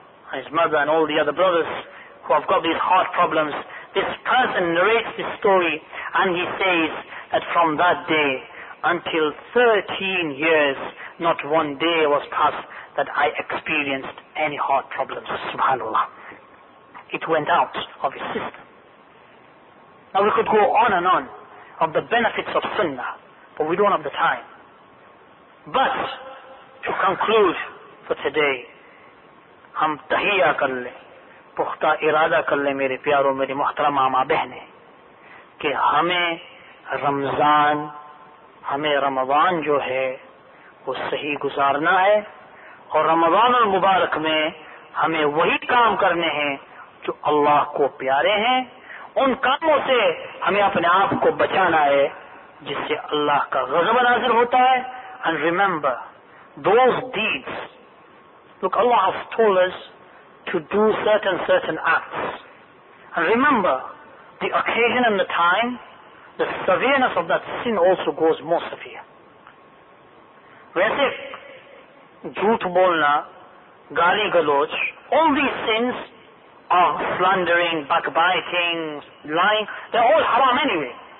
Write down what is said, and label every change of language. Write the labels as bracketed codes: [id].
[en] And his mother and all the other brothers who have got these heart problems, this person narrates this story, and he says that from that day until 13 years, not one day was passed that I experienced any heart problems. Subhanallah. It went out of his system. Now we could go on and on of the benefits of sunnah, but we don't have the time. But to conclude for today, [ur] ہم تہیا کر لیں پختہ ارادہ کر لیں میرے پیاروں میری محترم ماما بہنیں کہ ہمیں رمضان جو ہے وہ صحیح گزارنا ہے اور رمضان المبارک میں ہمیں وہی کام کرنے ہیں جو اللہ کو پیارے ہیں ان کاموں سے ہمیں اپنے آپ کو بچانا ہے جس سے اللہ کا غضب نازل ہوتا ہے [en] And remember those deeds Look, Allah has told us to do certain acts. And remember, the occasion and the time, the severeness of that sin also goes more severe. [ur] Waise jhooth bolna, gaali galoch, [en] all these sins of slandering, backbiting, lying, they're all haram anyway.